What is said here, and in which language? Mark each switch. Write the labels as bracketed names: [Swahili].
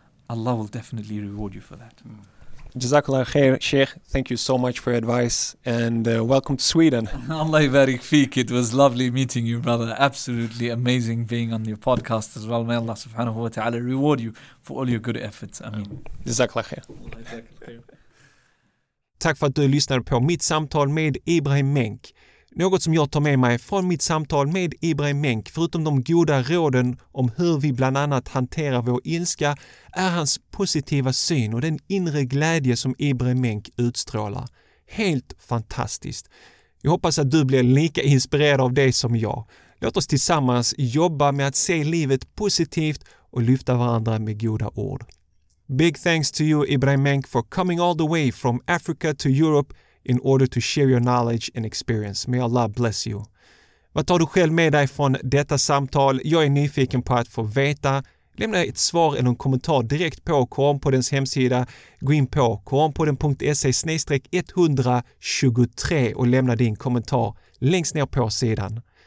[English] Allah will definitely reward you for that. [Arabic] Jazakallah khair, Sheikh. [English] Thank you so much for your advice and welcome to Sweden. [Arabic] Allah barik feek. [English] It was lovely meeting you, brother. Absolutely amazing being on your podcast as well. May Allah [Arabic] subhanahu wa ta'ala [English] reward you for all your good efforts. [Arabic] Ameen. Jazakallah khair. [Swedish] Tack för att du lyssnade på mitt samtal med Ibrahim Menk. Något som jag tar med mig från mitt samtal med Ibrahim Menk, förutom de goda råden om hur vi bland annat hanterar vår ilska, är hans positiva syn och den inre glädje som Ibrahim Menk utstrålar. Helt fantastiskt. Jag hoppas att du blir lika inspirerad av det som jag. Låt oss tillsammans jobba med att se livet positivt och lyfta varandra med goda ord. [English] Big thanks to you, Ibrahim Menk, for coming all the way from Africa to Europe in order to share your knowledge and experience. May Allah bless you. [Swedish] Vad tar du själv med dig från detta samtal? Jag är nyfiken på att få veta. Lämna ett svar eller en kommentar direkt på Koranpoddens hemsida. Gå in på koranpodden.se/123 och lämna din kommentar längst ner på sidan.